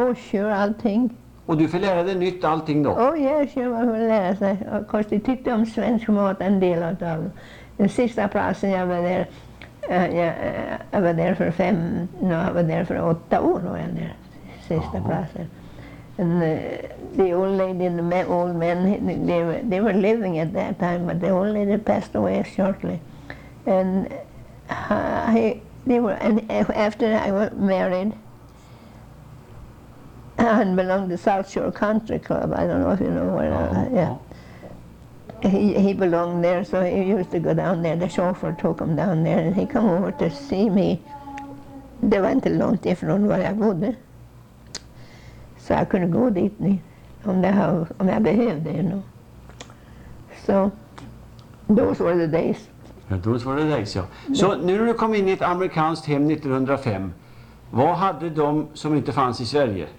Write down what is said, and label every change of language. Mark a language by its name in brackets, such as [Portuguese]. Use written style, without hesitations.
[Swedish] Sure, allting. Och du får lära dig nytt allting då? Sure, man får lära sig. Och kanske tyckte om svensk mat en del av det. Den sista platsen jag var där för åtta år var jag där. Sista platsen. [English] And the old lady and the old man, they were living at that time, but the old lady passed away shortly. And after I was married, and belonged to South Shore Country Club. I don't know if you know where. He belonged there, so he used to go down there. The chauffeur took him down there, and he come over to see me. They went a long way from where I bodde. [Swedish] Så jag kunde gå dit nu, om jag behövde, [English] you know. So, those were the days. Ja, those were the days, ja. [Swedish] Så nu när du kom in i ett amerikanskt hem 1905, vad hade de som inte fanns i Sverige?